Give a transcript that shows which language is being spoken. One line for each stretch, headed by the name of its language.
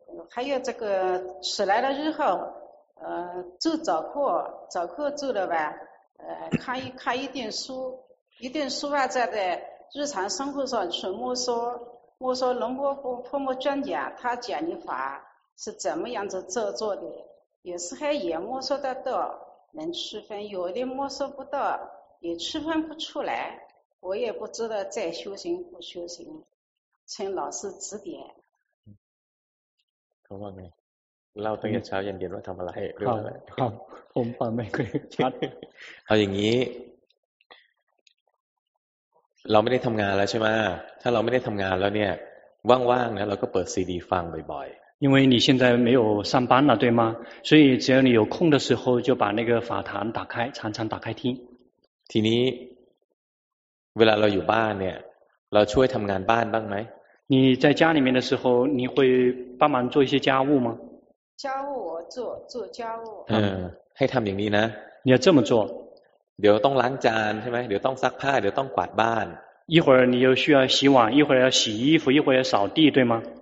Chinese: 还有这个起来了之后做早课做了吧看一点书一点书吧在日常生活上去摸索龙波波泼沫专家他讲的法是怎么样子坐坐的有时候也摸索得到能区分有的摸索不到也区分不出来我也不知道在修行不修行请老师指点好吗没
Thai: เราต้องเช้าเย็นเย็นว่าทำอะไรด้วยอะไร ครับผมฟังไม่เคยชัด เอาอย่างนี้เราไม่ได้ทำงานแล้วใช่ไหมถ้าเราไม่ได้ทำงานแล้วเนี่ยว่างๆนะเราก็เปิดซีดีฟังบ่อย
Chinese: ๆ因为你现在没有上班了对吗所以只要你有空的时候就把那个法坛打开常常打开听
Thai: ทีนี้เวลาเราอยู่บ้านเนี่ยเราช่วยทำงานบ้านบ้างไหม
Chinese: 你在家里面的时候你会帮忙做一些家务吗家务我做家务。
Thai: 嗯，ให้ทำอย่างนี้นะ。
Chinese: 你要这么做。
Thai: เดี๋ยวต้องล้างจานใช่ไหม？เดี๋ยวต้องซักผ้า，เดี๋ยวต้องกวาดบ้าน。
Chinese: 一会儿你又需要洗碗，一会儿要洗衣服，一会儿要扫地，对吗？